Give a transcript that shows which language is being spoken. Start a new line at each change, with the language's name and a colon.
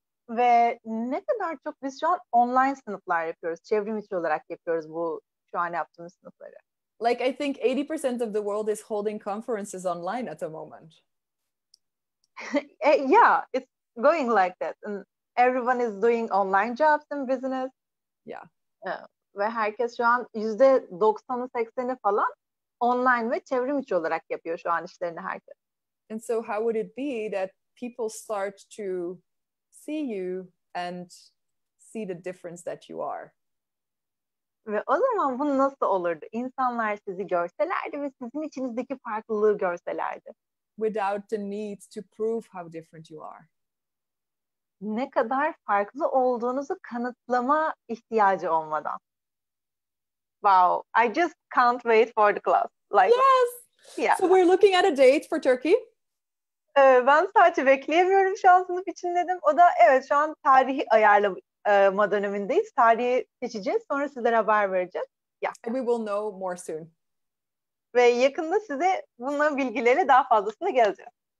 Turkish: Ve ne kadar çok biz şu an online sınıflar yapıyoruz. Çevrim içi olarak yapıyoruz bu şu an yaptığımız sınıfları.
English: Like I think 80% of the world is holding conferences online at the moment. Yeah, it's going like that. And everyone is doing online jobs and business. Yeah.
Turkish: Ve herkes şu an %90-80'i falan online ve çevrim içi olarak yapıyor şu an işlerini herkes.
English: And so how would it be that people start to see you and see the difference that you are?
Turkish: Ve o zaman bu nasıl olurdu? İnsanlar sizi görselerdi ve sizin içinizdeki farklılığı görselerdi.
English: Without the need to prove how different you are.
Turkish: Ne kadar farklı olduğunuzu kanıtlama ihtiyacı olmadan.
English: Wow, I just can't wait for the class. Like, yes! Yeah. So we're looking at a date for Turkey.
Turkish: Ben sadece bekleyemiyorum şu an sınıf için dedim. O da evet şu an tarihi ayarlama dönemindeyiz. Tarihi seçeceğiz. Sonra sizlere haber vereceğiz. Yeah.
English: We will know more soon.
Turkish: Ve yakında size bunların bilgileri daha fazlasını geleceğim.